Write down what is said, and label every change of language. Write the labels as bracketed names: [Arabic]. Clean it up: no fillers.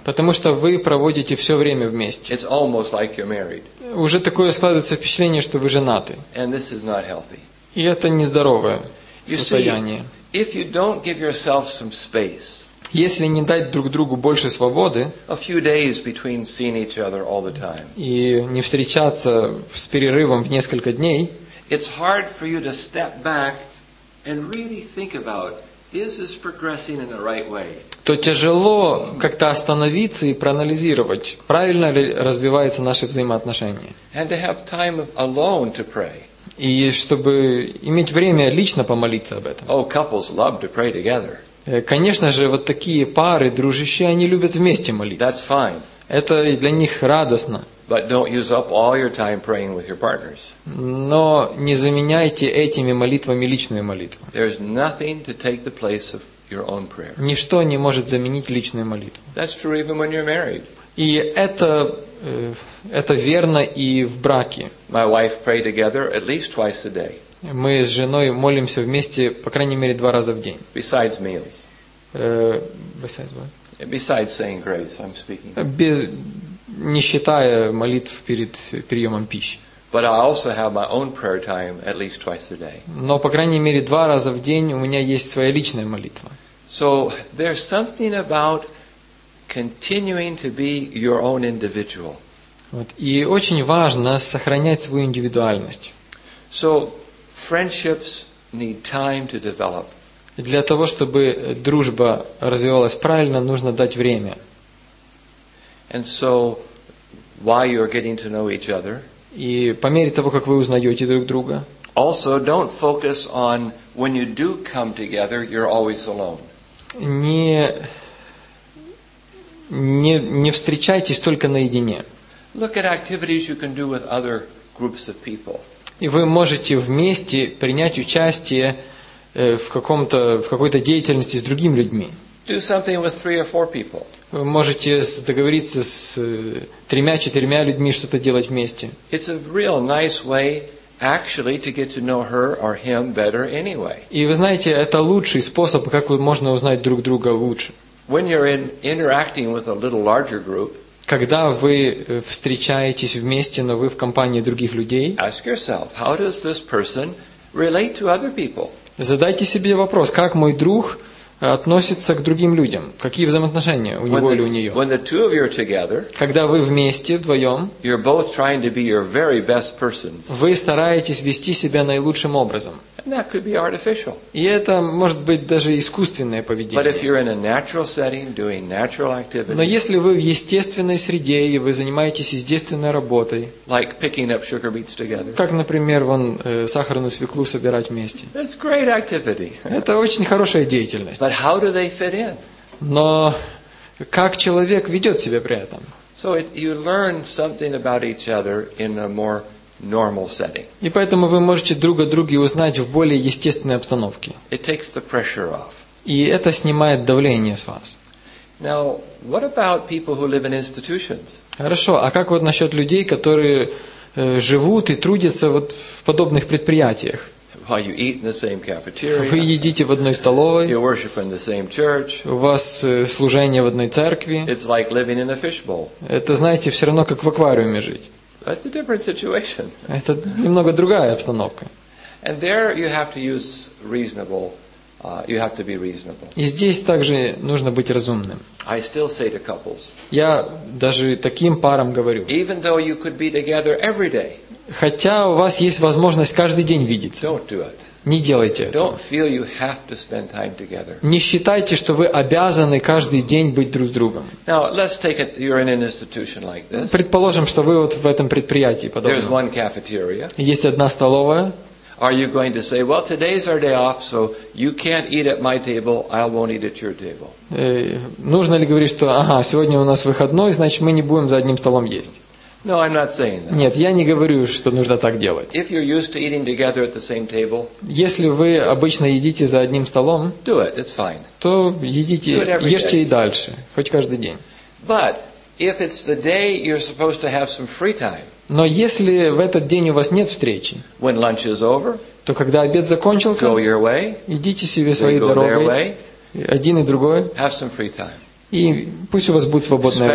[Russian] Потому что вы проводите все время вместе. [English] It's almost like you're married. [Russian] Уже такое складывается впечатление, что вы женаты. [English] And this is not healthy. [Russian] И это нездоровое состояние. [English] If you don't give yourself some space, [Russian] если не дать друг другу больше свободы, [English] a few days between seeing each other all the time, [Russian] и не встречаться с перерывом в несколько дней, [English] it's hard for you to step back and really think about, is this progressing in the right way? [Russian] То тяжело как-то остановиться и проанализировать, правильно ли развиваются наши взаимоотношения. [English] And to have time alone to pray. [Russian] И чтобы иметь время лично помолиться об этом. [English] Oh, couples love to pray together. [Russian] Конечно же, вот такие пары, дружище, они любят вместе молиться. [English] That's fine. [Russian] Это для них радостно. [English] But don't use up all your time praying with your partners. [Russian] Но не заменяйте этими молитвами личную молитву. [English] There is nothing to take the place of your own prayer. [Russian] Ничто не может заменить личную молитву. [English] That's true even when you're married. [Russian] И это верно и в браке. [English] My wife prayed together at least twice a day. [Russian] Мы с женой молимся вместе по крайней мере два раза в день. [English] Besides meals. Besides what? Besides saying grace, I'm speaking. [Russian] Не считая молитв перед приемом пищи. [English] But I also have my own prayer time at least twice a day. [Russian] Но по крайней мере два раза в день у меня есть своя личная молитва. [English] So there's something about continuing to be your own individual. [Russian] Вот и очень важно сохранять свою индивидуальность. [English] So friendships need time to develop. [Russian] Для того чтобы дружба развивалась правильно, нужно дать время. [English] And so, while you're getting to know each other, [Russian] и по мере того, как вы узнаете друг друга, [English] also don't focus on when you do come together, you're always alone. [Russian] Не встречайтесь только наедине. [English] Look at activities you can do with other groups of people. [Russian] И вы можете вместе принять участие в какой-то деятельности с другими людьми. [English] Do something with three or four people. [Russian] Вы можете договориться с тремя-четырьмя людьми что-то делать вместе. [English] It's a real nice way actually to get to know her or him better anyway. [Russian] И вы знаете, это лучший способ, как можно узнать друг друга лучше. [English] When you're interacting with a little larger group, [Russian] когда вы встречаетесь вместе, но вы в компании других людей, [English] ask yourself, how does this person relate to other people? [Russian] Задайте себе вопрос, как мой друг относится к другим людям. Какие взаимоотношения у него или у нее? [English] When the two of you are together, [Russian] когда вы вместе, вдвоем, [English] you're both trying to be your very best persons. [Russian] Вы стараетесь вести себя наилучшим образом. [English] And that could be artificial. [Russian] И это может быть даже искусственное поведение. [English] But if you're in a natural setting, doing natural activities, [Russian] но если вы в естественной среде, и вы занимаетесь естественной работой, [English] like picking up sugar beets together, [Russian] как, например, вон, сахарную свеклу собирать вместе, [English] that's great activity. [Russian] Это очень хорошая деятельность. [English] But how do they fit in? [Russian] Но как человек ведет себя при этом? [English] So you learn something about each other in a more normal setting. [Russian] И поэтому вы можете друг о друге узнать в более естественной обстановке. [English] It takes the pressure off. [Russian] И это снимает давление с вас. [English] Now, what about people who live in institutions? [Russian] Хорошо, а как вот насчет людей, которые живут и трудятся вот в подобных предприятиях? [English] While you eat in the same cafeteria, [Russian] вы едите в одной столовой, [English] you worship in the same church, [Russian] у вас служение в одной церкви, [English] it's like living in a fishbowl. [Russian] Это, знаете, все равно как в аквариуме жить. [English] That's a different situation. [Russian] Это немного другая обстановка. [English] And there you have to use reasonable, you have to be reasonable. [Russian] И здесь также нужно быть разумным. [English] I still say to couples. [Russian] Я даже таким парам говорю. [English] Even though you could be together every day. [Russian] Хотя у вас есть возможность каждый день видеться. [English] Don't do it. [Russian] Не делайте этого. [English] Don't feel you have to spend time together. [Russian] Не считайте, что вы обязаны каждый день быть друг с другом. [English] Now, let's take it, you're in an institution like this. [Russian] Предположим, что вы вот в этом предприятии подобном. [English] There's one cafeteria. [Russian] Есть одна столовая. [English] Are you going to say, well, today's our day off, so you can't eat at my table, I won't eat at your table? [Russian] Нужно ли говорить, что, ага, сегодня у нас выходной, значит, мы не будем за одним столом есть? [English] No, I'm not saying that. [Russian] Нет, я не говорю, что нужно так делать. [English] If you're used to eating together at the same table, [Russian] если вы обычно едите за одним столом, [English] do it, it's fine. [Russian] То едите, ешьте и дальше, хоть каждый день. [English] But if it's the day you're supposed to have some free time, [Russian] но если в этот день у вас нет встречи, [English] when lunch is over, [Russian] то когда обед закончился, [English] go your way, [Russian] идите себе своей дорогой, [English] way, [Russian] один и другой, [English] have some free time, [Russian] и пусть у вас будет свободное